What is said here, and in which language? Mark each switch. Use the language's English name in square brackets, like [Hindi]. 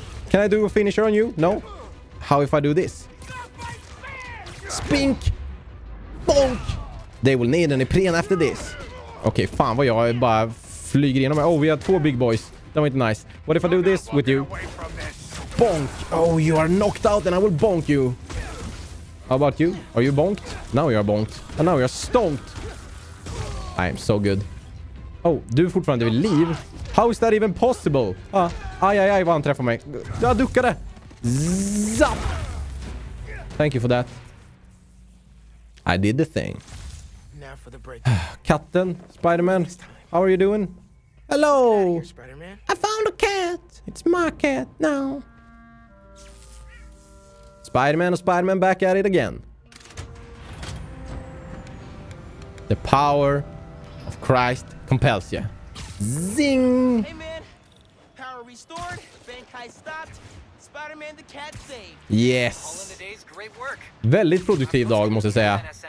[English] Can I do a finisher on you? No? How if I do this? Spink! Bonk! They will need an Ipren after this. [Swedish] Okej, okay, fan vad jag bara flyger igenom. [English] Oh, [Swedish] vi har två [English] big boys. That went nice. What if I do this with you? Bonk! Oh, you are knocked out and I will bonk you. How about you? Are you bonked? Now you are bonked. And now you are stonked. I am so good. [Swedish] Oh, du är fortfarande vid liv. [English] How is that even possible? [Swedish] Aj, aj, aj, vad han träffar mig. Jag duckade. [English] Zap! Thank you for that. I did the thing. Now for the break. Katten, Spider-Man, how are you doing? Hello! I found a cat! It's my cat now! Spider-Man [Swedish] och [English] Spider-Man back at it again. The power of Christ compels you. Zing! Hey man! Power restored, bank heist stopped, Spider-Man the cat saved! Yes! All in the day's great work! [Swedish] Väldigt produktiv dag, måste jag säga.